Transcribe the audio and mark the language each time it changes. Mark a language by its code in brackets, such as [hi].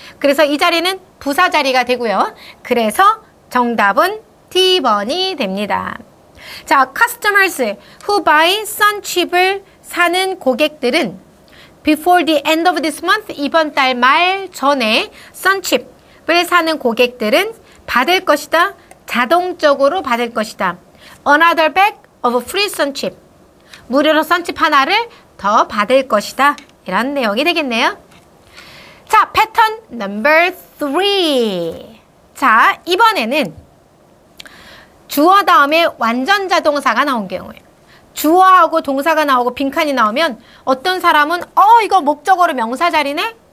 [ko] 그래서 이 자리는 부사자리가 되고요. 그래서 정답은 D번이 됩니다. 자, [en] customers who buy sun chip [ko] 을 사는 고객들은 [en] before the end of this month, [ko] 이번 달 말 전에 sun chip을 사는 고객들은 받을 것이다. 자동적으로 받을 것이다. [en] Another bag of free sun chip. [ko] 무료로 sun chip 하나를 더 받을 것이다. 이런 내용이 되겠네요. 자, pattern number 3. 자, 이번에는 주어 다음에 완전자동사가 나온 경우에 주어하고 동사가 나오고 빈칸이 나오면 어떤 사람은 이거 목적어로 명사 자리네?